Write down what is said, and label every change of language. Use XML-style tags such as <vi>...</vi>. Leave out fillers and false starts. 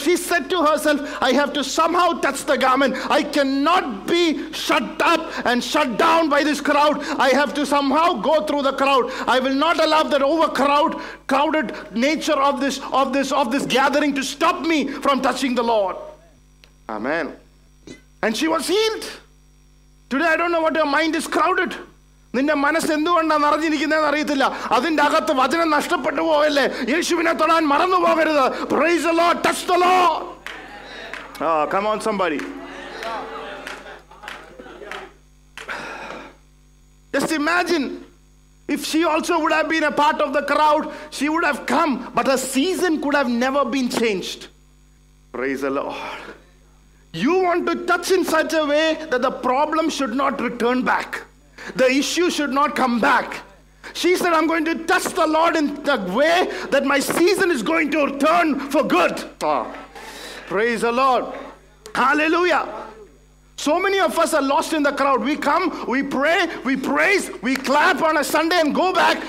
<en>She said to herself, I have to somehow touch the garment. I cannot be shut up and shut down by this crowd. I have to somehow go through the crowd. I will not allow that crowded nature of this gathering to stop me from touching the Lord. Amen. And she was healed. Today, I don't know what your mind is crowded.</en> <ml>നിന്റെ മനസ്സ് എന്തുകൊണ്ടാണ് നിറഞ്ഞിരിക്കുന്നതെന്ന് അറിയത്തില്ല. അതിന്റെ അകത്ത് വചനം നഷ്ടപ്പെട്ടു പോകല്ലേ. യേശുവിനെ തൊടാൻ മറന്നു പോകരുത്.</ml> <en>Praise the Lord, touch the Lord. Ah, come on somebody. Just imagine, if she also would have been a part of the crowd, she would have come, but the season could have never been changed. Praise the Lord. You want to touch in such a way that the problem should not return back. The issue should not come back. She said, I'm going to touch the Lord in the way that my season is going to return for good. Oh, praise the Lord. Hallelujah. So many of us are lost in the crowd. We come, we pray, we praise, we clap on a Sunday and go back.</en>